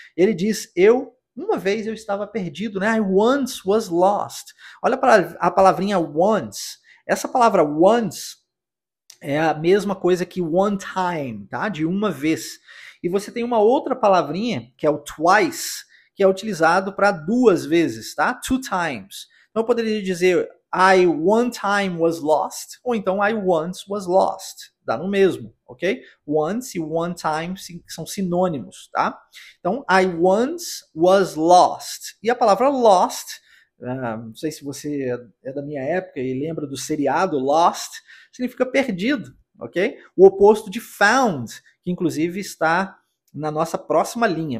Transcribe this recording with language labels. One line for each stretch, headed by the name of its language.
Portuguese: Ele diz, uma vez eu estava perdido, né?
English: I once was lost.
Portuguese: Olha para a palavrinha once. Essa palavra once é a mesma coisa que
English: one time,
Portuguese: tá? De uma vez. E você tem uma outra palavrinha, que é o twice, que é utilizado para duas vezes, tá?
English: Two times.
Portuguese: Então eu poderia dizer,
English: I one time was lost,
Portuguese: ou então
English: I once was lost.
Portuguese: Dá no mesmo, ok? Once e one time são sinônimos, tá? Então,
English: I once was lost.
Portuguese: E a palavra lost, não sei se você é da minha época e lembra do seriado Lost, significa perdido, ok? O oposto de found, que inclusive está na nossa próxima linha.